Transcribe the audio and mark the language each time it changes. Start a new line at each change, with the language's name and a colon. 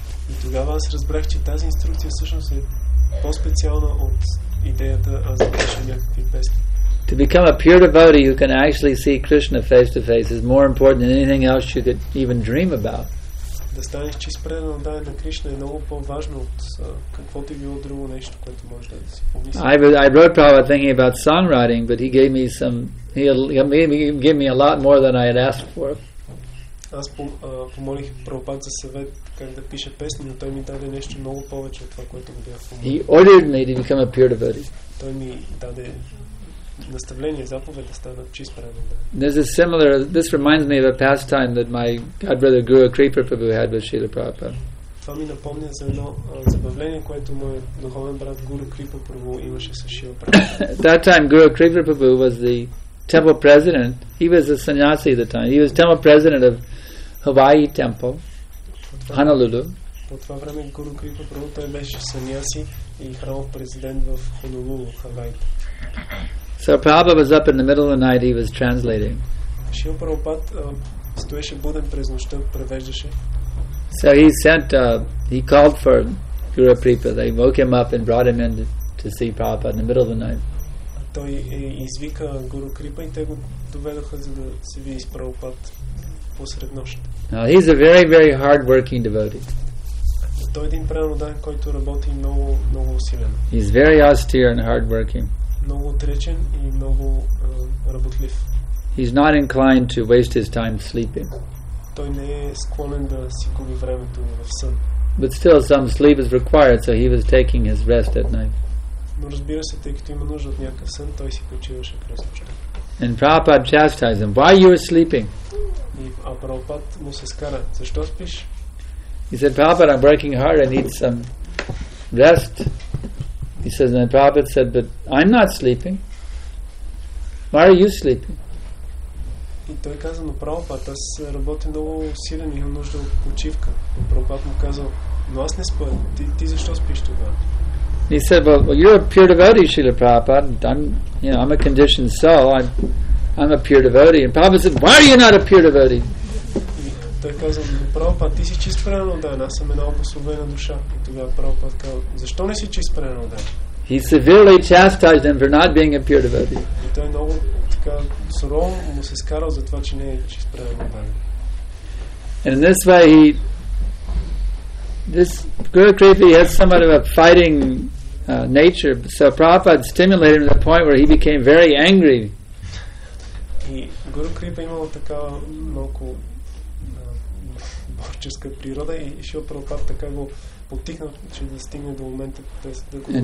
Bulgarian: И тогава аз разбрах, че тази инструкция всъщност е по-специална от идеята аз да пиша някакви песни.
English: To become a pure devotee who can actually see Krishna face to face is more important than anything else you could even dream about.
Bulgarian: Да станеш чист предан отдаден на Кришна е много по-важно от каквото и било друго нещо, което може да си помислиш.
English: I wrote Prabhupada thinking about songwriting, but he gave me a lot more than I had asked for.
Bulgarian: Аз помолих Прабхупад за съвет как да пише песни, но той ми даде нещо много повече от това, което бях помолил.
English: He ordered me to become a pure devotee.
Bulgarian: Той ми даде наставление, заповед да стана чист преданник.
English: There's a similar. This reminds me of a pastime that my godbrother Guru Creeper Prabhu had with Srila Prabhupada.
Bulgarian: Това ми напомня за едно забавление, което мой духовен брат Guru Creeper Prabhu имаше с Srila Prabhupada.
English: That time Guru Creeper Prabhu was the temple president. He was a sannyasi at the time. He was temple president of Hawaii temple, Honolulu.
Bulgarian: По това време Гуру Крипа Прабху той беше сънняси и храмов президент в Хонолулу, Хавай.
English: So Prabhupada was up in the middle of the night, he was translating.
Bulgarian: Шрила Прабхупада стоеше буден през нощта, превеждаше.
English: So he called for Гуру Крипа. They woke him up and brought him in to see Prabhupada in the middle of the night.
Bulgarian: Той извика Гуру Крипа и те го доведоха, за да се види с Правопад посред нощ.
English: Now he's a very, very hard-working devotee.
Bulgarian: Той е един преданодан, който работи много, много усилено.
English: He's very austere and hard-working.
Bulgarian: Много отречен и много работлив.
English: He's not inclined to waste his time sleeping.
Bulgarian: Той не е склонен да си губи времето в сън.
English: But still some sleep is required, so he was taking his rest at night.
Bulgarian: Но разбира се, тъй като има нужда от някакъв сън, той си почиваше през нощта.
English: And Prabhupada chastised him, why you are sleeping?
Bulgarian: И Прабхупад му се скара, защо спиш?
English: He said, Prabhupada, I'm working hard, I need some rest. He says, and Prabhupada said, but I'm not sleeping. Why are you sleeping?
Bulgarian: И той каза, но Прабхупад, аз работя много силен и имам нужда от почивка. Но Прабхупад му казал, но аз не спя, ти защо спиш тогава?
English: He said, well, you're a pure devotee, Srila Prabhupada. I'm a conditioned soul. I'm a pure devotee. And Prabhupada said, why are you not a pure devotee?
Bulgarian: Той каза, но Прабхупад, ти си чист преданодан, аз съм една обословена душа. И тогава Прабхупад каза, защо не си чист преданодан?
English: He severely chastised him for not being a pure devotee.
Bulgarian: И той много така сурово му се скарал за това, че не е чист преданодан.
English: And in this way, this Guru Kripa, he has somewhat of a fighting nature, so Prabhupada stimulated him to the point where he became very angry.
Bulgarian: И Guru Kripa имала такава малко борческа природа и Шрила Прабхупада така го потикна, че да стигне до момента да го говори.